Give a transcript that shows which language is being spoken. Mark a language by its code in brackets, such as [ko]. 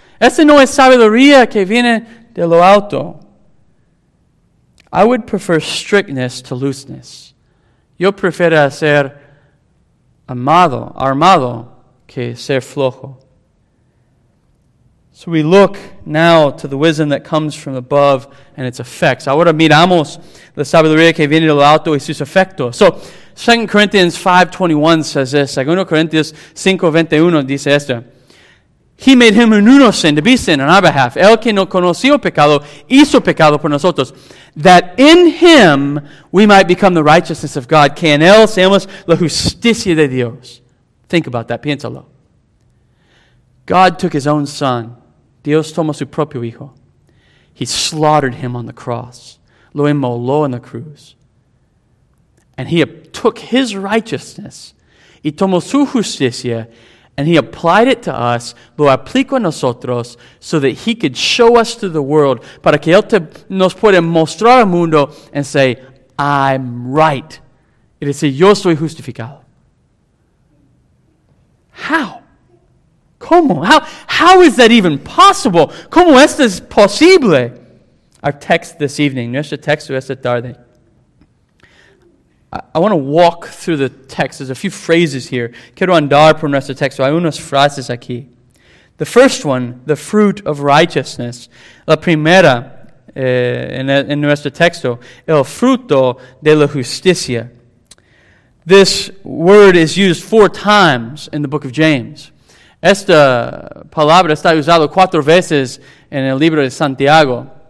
[es] Esa no es sabiduría que viene de lo alto. [en] I would prefer strictness to looseness. [es] Yo prefiero ser amado, armado, que ser flojo. [en] So we look now to the wisdom that comes from above and its effects. [es] Ahora miramos la sabiduría que viene de lo alto y sus efectos. [en] So, 2 Corinthians 5:21 says this. [es] 2 Corinthians 5:21 dice esto. [en] He made him who knew no sin to be sin on our behalf. [es] El que no conoció pecado hizo pecado por nosotros. [en] That in him we might become the righteousness of God. [es] Que en él seamos la justicia de Dios. [en] Think about that. [es] Piénsalo. [en] God took his own son. [es] Dios tomó su propio hijo. [en] He slaughtered him on the cross. [es] Lo inmoló en la cruz. [en] And he took his righteousness. [es] Y tomó su justicia. [en] And he applied it to us. [es] Lo aplicó a nosotros. [en] So that he could show us to the world. [es] Para que él nos pueda mostrar al mundo. [en] And say, I'm right. [es] Y decir, yo soy justificado. [en] How? [es] ¿Cómo? [en] How is that even possible? [es] ¿Cómo esto es posible? [en] Our text this evening. [es] Nuestro texto esta tarde. [en] I want to walk through the text. There's a few phrases here. [es] Quiero andar por nuestro texto. Hay unas frases aquí. [en] The first one, the fruit of righteousness. [es] La primera en nuestro texto. El fruto de la justicia. [en] This word is used four times in the book of James. [es] Esta palabra está usada cuatro veces en el libro de Santiago.